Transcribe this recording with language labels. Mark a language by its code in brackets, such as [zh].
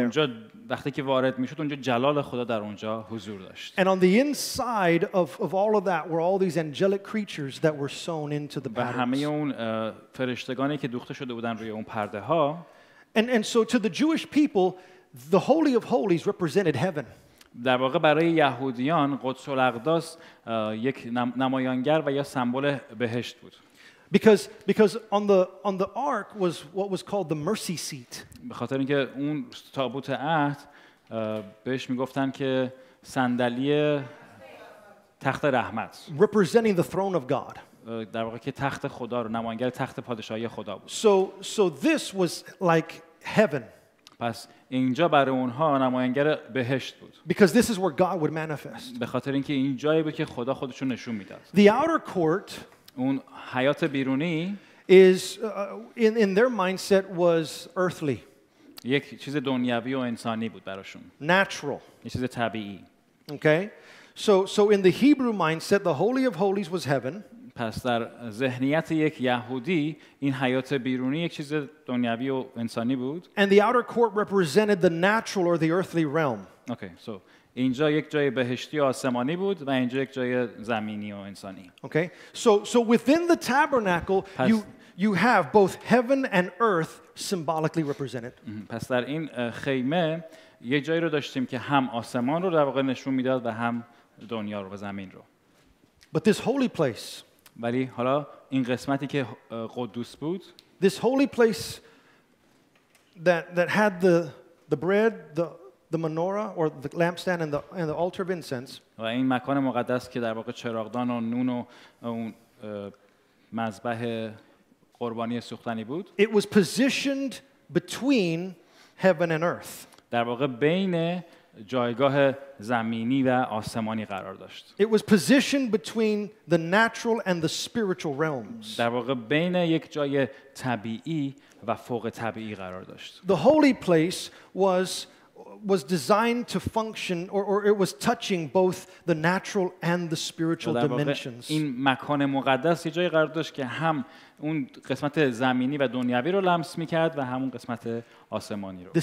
[fa] اونجا وقتی که وارد میشد اونجا جلال خدا در اونجا حضور داشت. [en] And on the inside of all of that were all these angelic creatures that were sewn into the pattern. [fa] همه اون فرشتگانی که دوخته شده بودن روی اون پرده ها. [en] And so to the Jewish people, the Holy of Holies represented heaven. [fa] در واقع برای یهودیان قدس الاقداس یک نمایانگر و یا سمبل بهشت بود. [en] Because on the ark was what was called the mercy seat. [fa] به خاطر اینکه اون تابوت عهد بهش میگفتن که صندلی تخت رحمت. [en] Representing the throne of God. [fa] در واقع که تخت خدا رو نمایانگر تخت پادشاهی خدا بود. [en] So this was like heaven. [fa] پس اینجا برای اونها نمایانگر بهشت بود. [en] Because this is where God would manifest. [fa] به خاطر اینکه این جایی بود که خدا خودش رو نشون میداد. [en] The outer court. [fa] اون حیات بیرونی [en] in their mindset was earthly. [fa] یک چیز دنیوی و انسانی بود براشون. [en] Natural. [fa] یک چیز طبیعی. [en] Okay. So in the Hebrew mindset, the Holy of Holies was heaven. [fa] پس در ذهنیت یک یهودی این حیات بیرونی یک چیز دنیوی و انسانی بود. [en] And the outer court represented the natural or the earthly realm. Okay. [fa] So اینجا یک جای بهشتی آسمانی بود و اینجا یک جای زمینی و انسانی. [en] Okay. So within the tabernacle you have both heaven and earth symbolically represented. [fa] پس در این خیمه یه جایی رو داشتیم که هم آسمان رو در واقع نشون میداد و هم دنیا رو و زمین رو. [en] But this holy place. [fa] ولی حالا این قسمتی که قدوس بود. [en] This holy place that had the bread, the menorah or the lampstand and the altar of incense. [fa] و این مکان مقدس که در واقع چراغدان و نون و اون مذبح قربانی سوختنی بود. [en] It was positioned between heaven and earth. [fa] در واقع بین جایگاه زمینی و آسمانی قرار داشت. [en] It was positioned between the natural and the spiritual realms. [fa] در واقع بین یک جای طبیعی و فوق طبیعی قرار داشت. [en] The holy place was designed to function or it was touching both the natural and the spiritual dimensions. [fa] این مکان مقدس یه جایی قرار داشت که هم اون قسمت زمینی و دنیوی رو لمس می‌کرد و همون قسمت آسمانی رو.